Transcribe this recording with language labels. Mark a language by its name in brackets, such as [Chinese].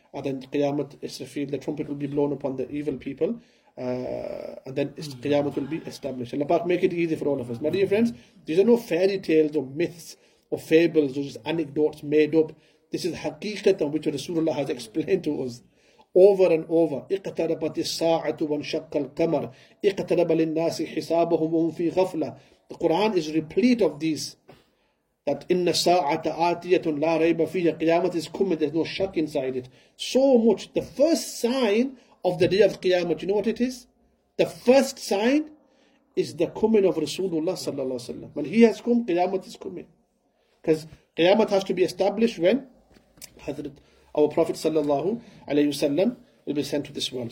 [English] And then Qiyamah is revealed. The trumpet will be blown upon the evil people. And then Qiyamah will be established. Allah Pak make it easy for all of us. My dear friends, these are no fairy tales or myths or fables or just anecdotes made up. This is haqiqat on which Rasulullah has explained to us. over and over. [Arabic] اِقْتَرَبَتِ السَّاعَةُ وَانْشَقَّ الْقَمَرُ اِقْتَرَبَ لِلنَّاسِ حِسَابُهُمْ وَهُمْ فِي غَفْلَةٍ. [English] The Quran is replete of these. That [Arabic] إِنَّ السَّاعَةَ آتِيَةٌ لَا رَيْبَ فِيهَا. [English] Qiyamah is coming, there's no shock inside it. So much. The first sign of the day of Qiyamah, you know what it is? The first sign is the coming of Rasulullah sallallahu alaihi wasallam. When he has come, Qiyamah is coming. Because Qiyamah has to be established when Hazrat our Prophet sallallahu alaihi wasallam will be sent to this world.